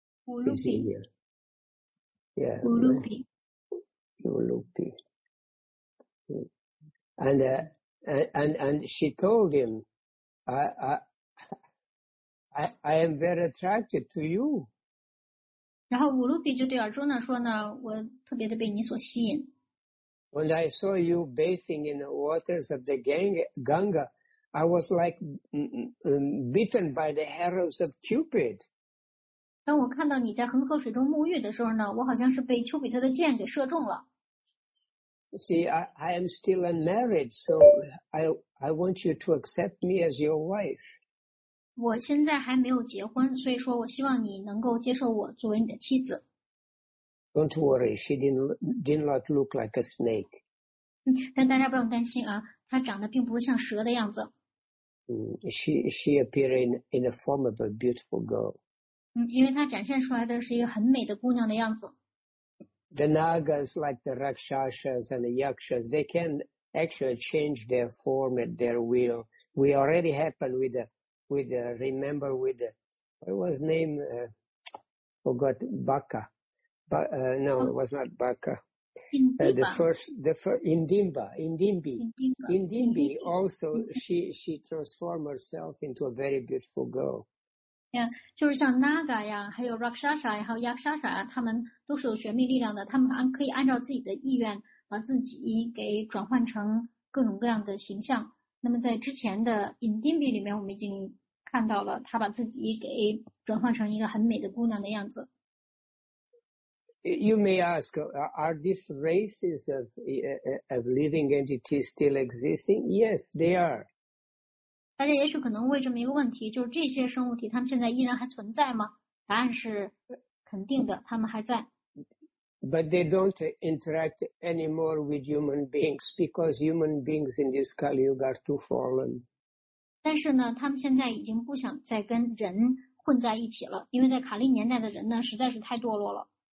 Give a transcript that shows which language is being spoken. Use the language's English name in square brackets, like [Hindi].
[English] Ulupi. Yeah. Ulupi. Ulupi. And she told him, I am very attracted to you. [Chinese] 然后乌鲁比就对尔朱呢说呢，我特别的被你所吸引。 [English] When I saw you bathing in the waters of the Ganga, I was like bitten by the arrows of Cupid. [Chinese] 当我看到你在恒河水中沐浴的时候呢，我好像是被丘比特的箭给射中了。 [English] See, I am still unmarried, so I want you to accept me as your wife. [Chinese] 我现在还没有结婚，所以说我希望你能够接受我作为你的妻子。 [English] Don't worry, she did not look like a snake. [Chinese] 但大家不用担心啊，她长得并不是像蛇的样子。 [English] She appeared in the form of a beautiful girl. [Chinese] 因为她展现出来的是一个很美的姑娘的样子。 [English] The Nagas, like the Rakshasas and the Yakshas, they can actually change their form at their will. We already happened Indimbi also she transformed herself into a very beautiful girl. [Chinese] Yeah, 就是像 Naga 呀，还有 Rakshasa 呀，还有 Yakshasa 呀，他们都是有玄秘力量的，他们可以按照自己的意愿把自己给转换成各种各样的形象。那么在之前的 Indimbi 里面，我们已经看到了他把自己给转换成一个很美的姑娘的样子。 [English] You may ask, are these races of living entities still existing? Yes, they are. [Chinese] 大家也许可能问这么一个问题，就是这些生物体他们现在依然还存在吗？答案是肯定的，他们还在。 [English] But they don't interact anymore with human beings because human beings in this Kali Yuga are too fallen. [Chinese] 但是呢，他们现在已经不想再跟人混在一起了，因为在卡利年代的人呢，实在是太堕落了。